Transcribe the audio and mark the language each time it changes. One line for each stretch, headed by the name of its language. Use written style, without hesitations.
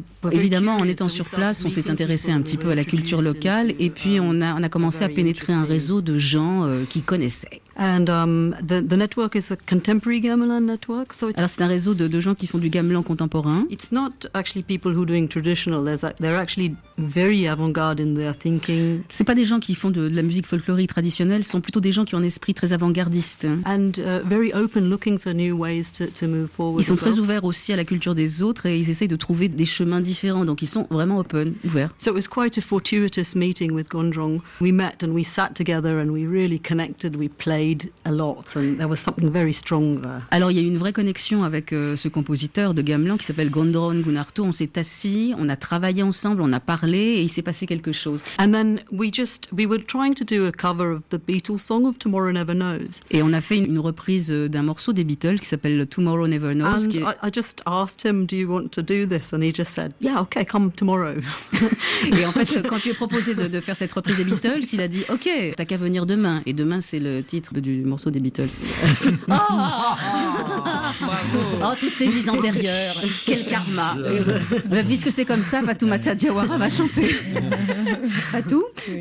French: évidemment, en étant sur place, on s'est intéressé un petit peu à la culture locale et puis on a commencé à pénétrer un réseau de gens qui connaissaient.
English: And the network is a contemporary gamelan network. So it's.
French: Alors c'est un réseau de gens qui font du gamelan contemporain.
English: It's not actually people who are doing traditional. They're actually very avant-garde in their thinking.
French: C'est pas des gens qui font de la musique folklorique traditionnelle. Ce sont plutôt des gens qui ont un esprit très avant-gardiste.
English: And very open, looking for new ways to move forward.
French: Ils sont très
English: well.
French: Ouverts aussi à la culture des autres et ils essayent de trouver des chemins différents. Donc ils sont vraiment open, ouverts.
English: So it was quite a fortuitous meeting with Gundrung. We met and we sat together and we really connected. We played. A lot, and there was something very strong there.
French: Alors il y a eu une vraie connexion avec ce compositeur de gamelan qui s'appelle Gundrung Gunarto. On s'est assis, on a travaillé ensemble, on a parlé et il s'est passé quelque chose.
English: And then we were trying to do a cover of the Beatles song of Tomorrow Never Knows.
French: Et on a fait une reprise d'un morceau des Beatles qui s'appelle Tomorrow Never Knows.
English: And
French: qui est...
English: I just asked him, do you want to do this? And he just said, yeah, okay, come tomorrow.
French: Et en fait quand je lui ai proposé de faire cette reprise des Beatles, il a dit, ok, t'as qu'à venir demain. Et demain c'est le titre du morceau des Beatles. Oh, toutes ces vies antérieures, quel karma. Mais puisque c'est comme ça, Fatou Mata Diawara va chanter. Fatou, oui.